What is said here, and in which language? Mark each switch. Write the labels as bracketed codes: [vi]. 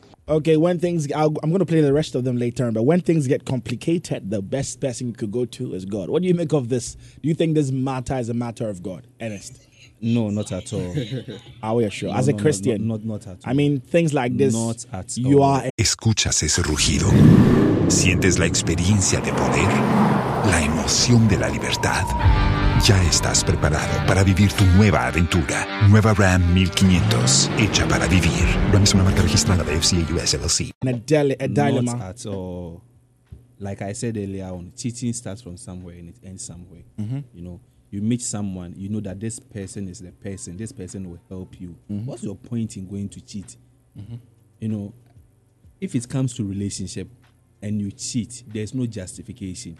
[en] Okay, when things, I'm going to play the rest of them later, but when things get complicated, the best person you could go to is God. What do you make of this? Do you think this matter is a matter of God, Ernest? No, not at all. Are you sure? No, as a Christian? No, not at all. I mean, things like this. Not at all. You are. [es] ¿Escuchas ese rugido? ¿Sientes la experiencia de poder? ¿La emoción de la libertad? Ya estás preparado para vivir tu nueva aventura. Nueva Ram 1500, hecha para vivir. Ram es una marca registrada de FCA US LLC. [en] A dilemma. Not at all. Like I said earlier on, cheating starts from somewhere and it ends somewhere. Mm-hmm. You know, you meet someone, you know that this person is the person, this person will help you. Mm-hmm. What's your point in going to cheat? Mm-hmm. You know, if it comes to relationship and you cheat, there's no justification.